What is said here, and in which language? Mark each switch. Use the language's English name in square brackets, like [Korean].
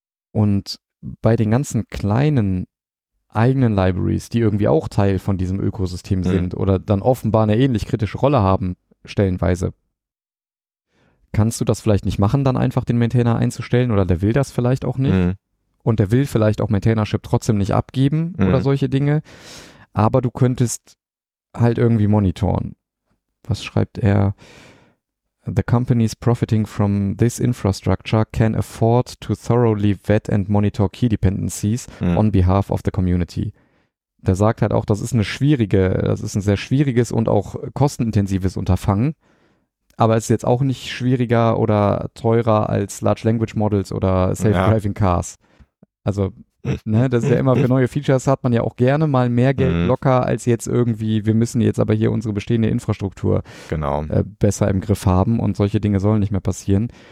[German] Und bei den ganzen kleinen eigenen Libraries, die irgendwie auch Teil von diesem Ökosystem sind oder dann offenbar eine ähnlich kritische Rolle haben, stellenweise. Kannst du das vielleicht nicht machen, dann einfach den Maintainer einzustellen oder der will das vielleicht auch nicht und der will vielleicht auch Maintainership trotzdem nicht abgeben oder solche Dinge, aber du könntest halt irgendwie monitoren. Was schreibt er? [English] The companies profiting from this infrastructure can afford to thoroughly vet and monitor key dependencies on behalf of the community. [German] Der sagt halt auch, das ist ein sehr schwieriges und auch kostenintensives Unterfangen. Aber es ist jetzt auch nicht schwieriger oder teurer als Large Language Models oder Self-Driving Cars. Also, ne, das ist ja immer für neue Features hat man ja auch gerne mal mehr Geld locker als jetzt irgendwie, wir müssen jetzt aber hier unsere bestehende Infrastruktur besser im Griff haben und solche Dinge sollen nicht mehr passieren.